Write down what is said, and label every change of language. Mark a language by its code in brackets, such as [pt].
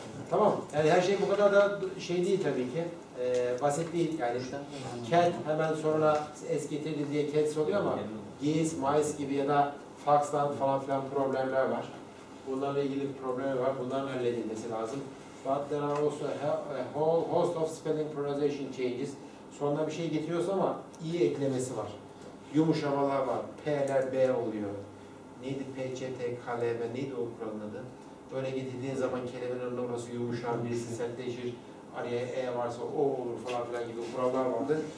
[tr] Tamam. Yani her şey bu kadar da şey değil tabii ki. Basit değil yani. Cat hemen sonra es getirdi diye cats oluyor ama geese, mice gibi ya da fox'tan falan filan problemler var. Bunlarla ilgili problemler var. Bunların halledilmesi lazım. [en] But there are also a whole host of spelling pronunciation changes. [tr] Sonuna bir şey getiriyorsa ama iyi eklemesi var. Yumuşamalar var. P'ler B oluyor. Neydi PCT, KLB, neydi o kuralın adı? Böyle gidildiğin zaman kelimenin numarası yumuşar, birisi sertleşir, araya E varsa O olur falan filan gibi kurallar vardır.